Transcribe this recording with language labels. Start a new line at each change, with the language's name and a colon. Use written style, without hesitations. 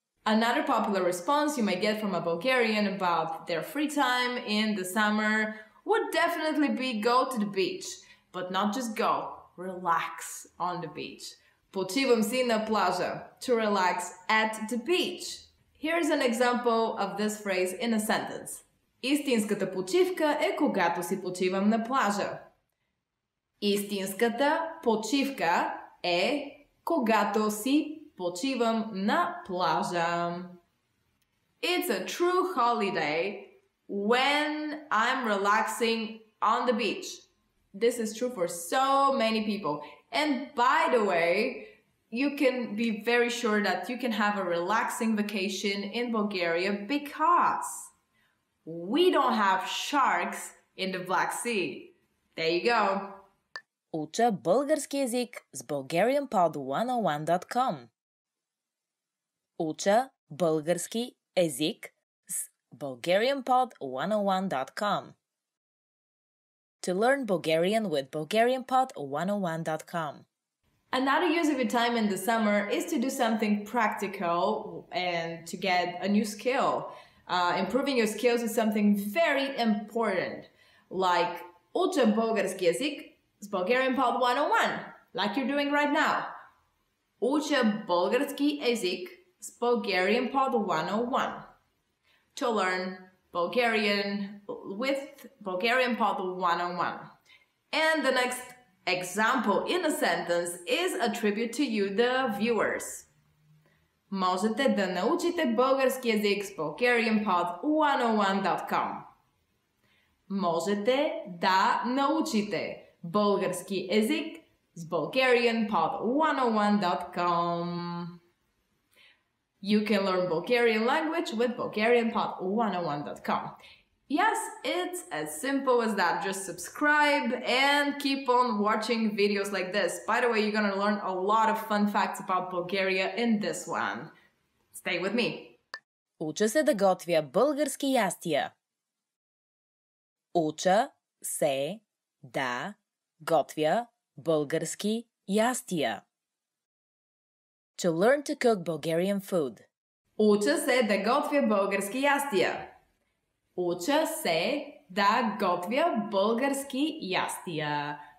English: Another popular response you may get from a Bulgarian about their free time in the summer would definitely be go to the beach. But not just go, relax on the beach.
Bulgarian: Počivam si na plaža,
English: to relax at the beach. Here's an example of this phrase in a sentence.
Bulgarian: Истинската почивка е когато си почивам на плажа. Истинската почивка е когато си почивам на плажа.
English: It's a true holiday when I'm relaxing on the beach. This is true for so many people. And by the way, you can be very sure that you can have a relaxing vacation in Bulgaria because we don't have sharks in the Black Sea. There you go.
Bulgarian: Уча български език с BulgarianPod101.com. Уча български език с BulgarianPod101.com.
English: To learn Bulgarian with BulgarianPod101.com. Another use of your time in the summer is to do something practical and to get a new skill. Improving your skills is something very important. Like
Bulgarian: Уча български език с BulgarianPod101,
English: like you're doing right now.
Bulgarian: Уча български език Bulgarian Pod 101.
English: To learn Bulgarian with Bulgarian Pod 101. And the next example in a sentence is a tribute to you, the viewers.
Bulgarian: Можете да научите български език с BulgarianPod101.com. Можете да научите български език с BulgarianPod101.com.
English: You can learn Bulgarian language with BulgarianPod101.com. Yes, it's as simple as that. Just subscribe and keep on watching videos like this. By the way, you're gonna learn a lot of fun facts about Bulgaria in this one. Stay with me.
Bulgarian: Уча се да готвя български ястия. Уча се да готвя български ястия.
English: To learn to cook Bulgarian food.
Bulgarian: Уча се да готвя български ястия. Уча се да готвя български ястия.